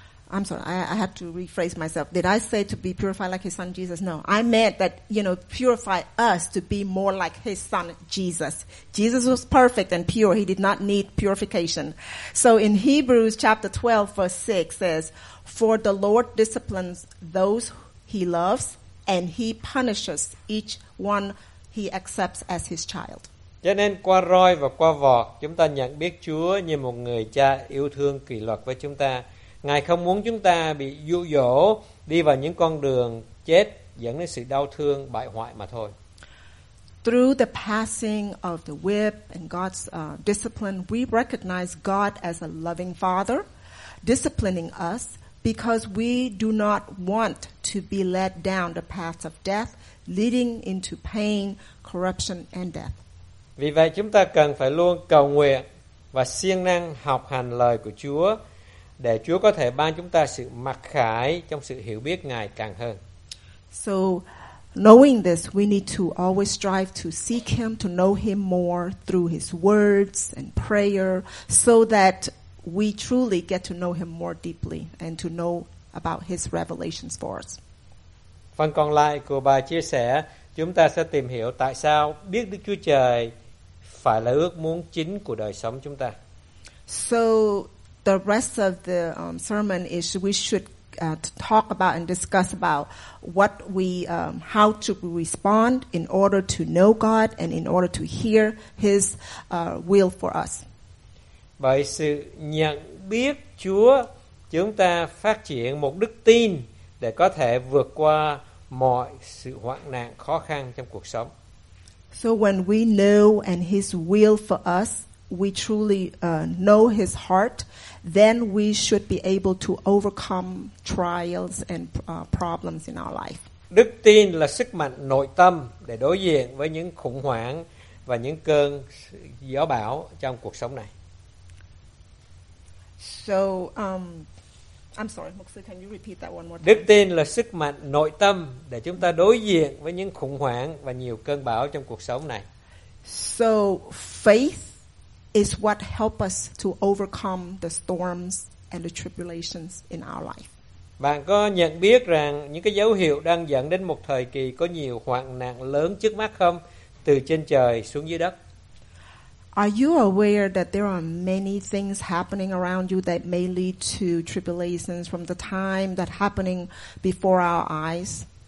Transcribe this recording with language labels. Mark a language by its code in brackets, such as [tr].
[en] I'm sorry, I have to rephrase myself. Did I say to be purified like his son Jesus? No, I meant that, you know, purify us to be more like his son Jesus. Jesus was perfect and pure. He did not need purification. So in Hebrews chapter 12 verse 6 says, for the Lord disciplines those he loves and he punishes each one he accepts as his child. [vi] Cho nên qua roi và qua vọt, chúng ta nhận biết Chúa như một người cha yêu thương kỷ luật với chúng ta. Ngài không muốn chúng ta bị dụ dỗ đi vào những con đường chết dẫn đến sự đau thương bại hoại mà thôi. [en] Through the passing of the whip and God's discipline, we recognize God as a loving father disciplining us because we do not want to be led down the path of death leading into pain, corruption and death. [vi] Vì vậy chúng ta cần phải luôn cầu nguyện và siêng năng học hành lời của Chúa để Chúa có thể ban chúng ta sự mặc khải trong sự hiểu biết Ngài càng hơn. [en] So knowing this, we need to always strive to seek him, to know him more through his words and prayer so that we truly get to know him more deeply and to know about his revelations for us. [vi] Phần còn lại của bài chia sẻ, chúng ta sẽ tìm hiểu tại sao biết Đức Chúa Trời phải là ước muốn chính của đời sống chúng ta. [en] So the rest of the sermon is we should talk about and discuss about what we how to respond in order to know God and in order to hear his will for us. [vi] Bởi sự nhận biết Chúa, chúng ta phát triển một đức tin để có thể vượt qua mọi sự hoạn nạn khó khăn trong cuộc sống. [en] So when we know and his will for us, we truly know his heart, then we should be able to overcome trials and problems in our life. [vi] Đức tin là sức mạnh nội tâm để đối diện với những khủng hoảng và những cơn gió bão trong cuộc sống này. [en] So I'm sorry, Mục sư, can you repeat that one more time? [vi] Đức tin là sức mạnh nội tâm để chúng ta đối diện với những khủng hoảng và nhiều cơn bão trong cuộc sống này. [en] So faith is what helps us to overcome the storms and the tribulations in our life. [vi] Bạn có nhận biết rằng những cái dấu hiệu đang dẫn đến một thời kỳ có nhiều hoạn nạn lớn trước mắt không? Từ trên trời xuống dưới đất. [en] Are you aware that there are many things happening around you that may lead to tribulations from the time that happening before our eyes?